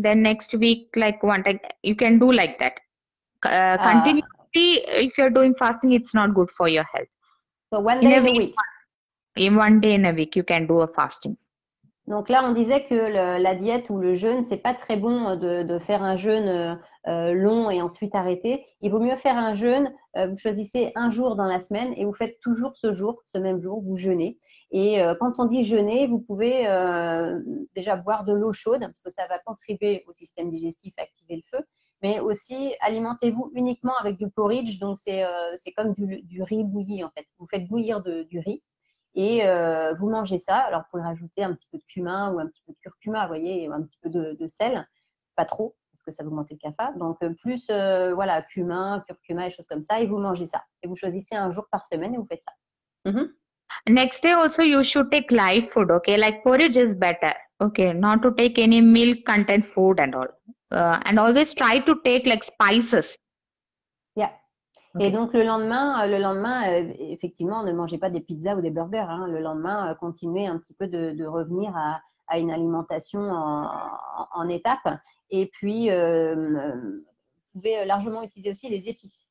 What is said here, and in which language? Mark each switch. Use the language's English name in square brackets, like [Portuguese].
[English] Then next week, like one time. You can do like that. Continuously, if you're doing fasting, it's not good for your health. So one day in a week. In one day in a week, you can do a fasting. [French] Donc là, on disait que la diète ou le jeûne, c'est pas très bon de faire un jeûne long et ensuite arrêter. Il vaut mieux faire un jeûne. Vous choisissez un jour dans la semaine et vous faites toujours ce jour, ce même jour, vous jeûnez. Et quand on dit jeûner, vous pouvez déjà boire de l'eau chaude parce que ça va contribuer au système digestif, activer le feu. Mais aussi, alimentez-vous uniquement avec du porridge. Donc, c'est comme du riz bouilli, en fait. Vous faites bouillir du riz et vous mangez ça. Alors, vous pouvez rajouter un petit peu de cumin ou un petit peu de curcuma, vous voyez, ou un petit peu de sel. Pas trop, parce que ça va augmenter le kapha. Donc, plus, voilà, cumin, curcuma et choses comme ça. Et vous mangez ça. Et vous choisissez un jour par semaine et vous faites ça. [English] Next day also, you should take light food, okay? Like porridge is better, okay? Not to take any milk content food and all. And always try to take like spices. Yeah. Okay. [French] Et donc le lendemain, effectivement, ne mangez pas des pizzas ou des burgers. Hein. Le lendemain, continuez un petit peu de revenir à une alimentation en étapes. Et puis, vous pouvez largement utiliser aussi les épices.